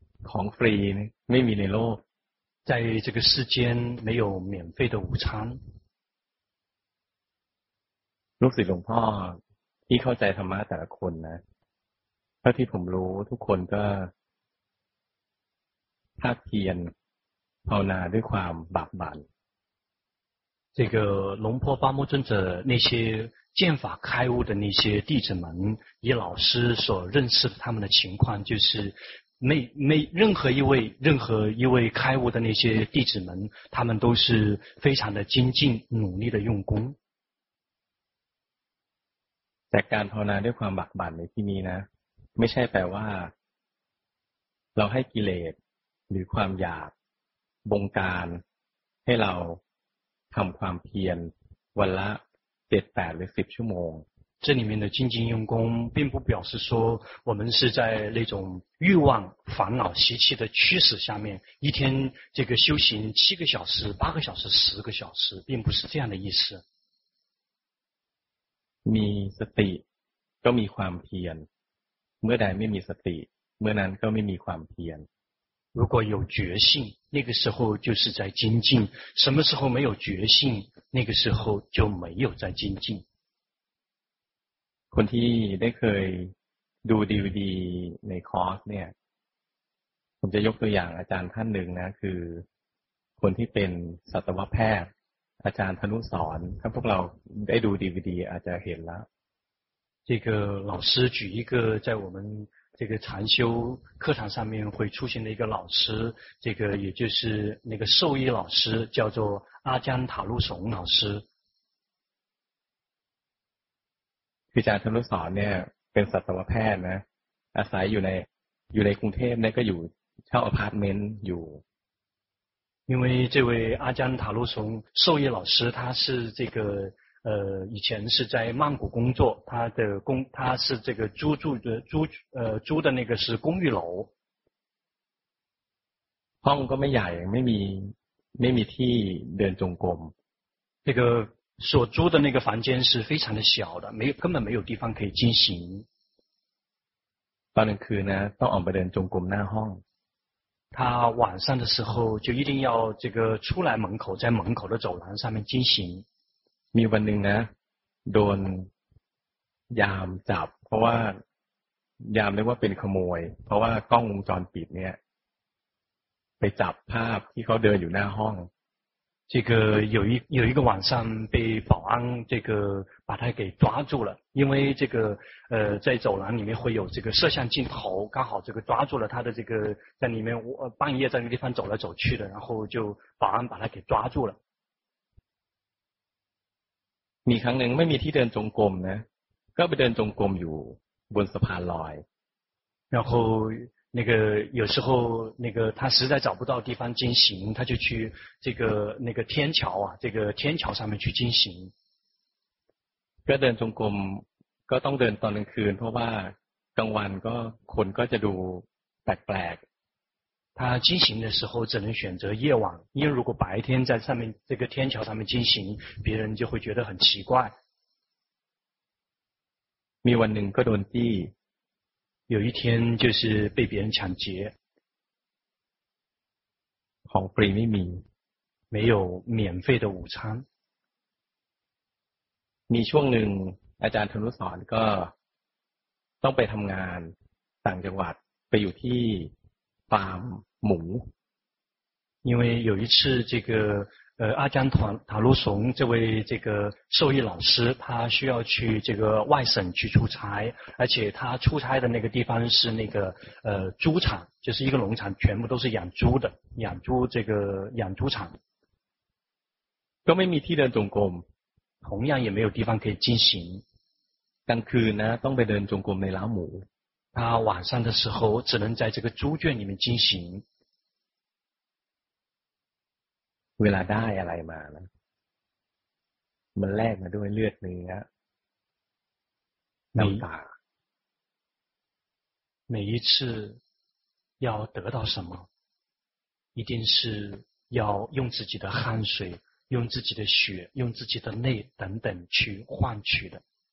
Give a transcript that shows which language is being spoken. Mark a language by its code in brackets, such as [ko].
[th] ของฟรีไม่มีในโลก， [zh] 在这个世间没有免费的午餐。 [th] ลูกศิษย์หลวงพ่อที่เข้าใจธรรมะแต่ละคนนะเท่าที่ผมรู้ทุกคนก็ภาคเพียรภาวนาด้วยความบากบั่น [zh] 这个龙婆巴木尊者那些见法开悟的那些弟子们以老师所认识的他们的情况就是没任何一位开悟的那些弟子们他们都是非常的精进努力的用功 [th] แต่การภาวนาด้วยความบักบั่นในที่นี้นะไม่ใช่แปลว่าเราให้กิเลสหรือความอยากบงการให้เราทำความเพียรวันละ7-8หรือ10ชั่วโมง [zh] 这里面的精进用功并不表示说我们是在那种欲望烦恼习气的驱使下面一天这个修行7个小时8个小时10个小时并不是这样的意思 [th] มีสติก็มีความเพียรเมื่อใดไม่มีสติ เมื่อนั้นก็ไม่มีความเพียร [zh] 如果有决心那个时候就是在精进什么时候没有决心那个时候就没有在精进 [th] คนที่ได้เคยดู DVD ในคอร์สเนี่ยผมจะยกตัวอย่างอาจารย์ท่านหนึ่งนะคือคนที่เป็นสัตวแพทย์อาจารย์ธนุสอนถ้าพวกเราได้ดู DVD อาจจะเห็นแล้ว [zh] 这个老师举一个在我们这个禅修课堂上面会出现的一个老师这个也就是那个兽医老师叫做阿姜塔路怂老师 [th] คืออาจารย์ธนุสอนเนี่ยเป็นสัตวแพทย์นะอาศัยอยู่ในกรุงเทพเนี่ยก็อยู่เช่าอพาร์ตเมนต์อยู่ [zh] 因为这位阿姜塔路怂兽医老师他是这个以前是在曼谷工作他是这个租的那个是公寓楼。 [th] ห้องก็ไม่ใหญ่ไม่มีที่เดินจงกรม [zh] 这个所租的那个房间是非常的小的没有根本没有地方可以进行。 [th] ตอนกลางคืนนะต้องออกไปเดินจงกรมหน้าห้อง [zh] 他晚上的时候就一定要这个出来门口在门口的走廊上面进行 [th] มีวันหนึ่งนะโดนยามจับเพราะว่ายามเรียกว่าเป็นขโมยเพราะว่ากล้องวงจรปิดเนี่ยไปจับภาพที่เขาเดินอยู่หน้าห้อง [zh] 这个有一个晚上被保安这个把他给抓住了因为这个在走廊里面会有这个摄像镜头刚好这个抓住了他的这个在里面半夜在那个地方走来走去的然后就保安把他给抓住了 [th] มีครั้งหนึ่งไม่มีที่เดินจงกรมนะก็ไปเดินจงกรมอยู่บนสะพานลอย [zh] 然后那个有时候那个他实在找不到地方进行他就去这个那个天桥啊这个天桥上面去进行 [th] ก็เดินจงกรมก็ต้องเดินตอนกลางคืนเพราะว่ากลางวันก็คนก็จะดูแปลก [zh] ๆ他进行的时候只能选择夜晚因为如果白天在上面这个天桥上面进行别人就会觉得很奇怪 [th] มีวันหนึ่งก็โดนจี้ [zh] 有一天就是被别人抢劫 [th] ของฟรีไม่มี [zh] 没有免费的午餐 [th] มีช่วงหนึ่งอาจารย์ธนุสอนก็ต้องไปทำงานต่างจังหวัดไปอยู่ที่ฟาร์มหมู [zh] 因为有一次这个阿姜塔路怂这位这个兽医老师他需要去这个外省去出差而且他出差的那个地方是那个猪场就是一个农场全部都是养猪的养猪这个养猪场 [th] ก็ไม่มีที่เดินจงกรม [zh] 同样也没有地方可以进行 [th] กลางคืนนะต้องไปเดินจงกรมในล้าหมู [zh] 他晚上的时候只能在这个猪圈里面进行 [th] เวลาได้อะไรมานะมันแลกมาด้วยเลือดเนื้อน้ำตา [zh] 每一次要得到什么一定是要用自己的汗水用自己的血用自己的泪等等去换取的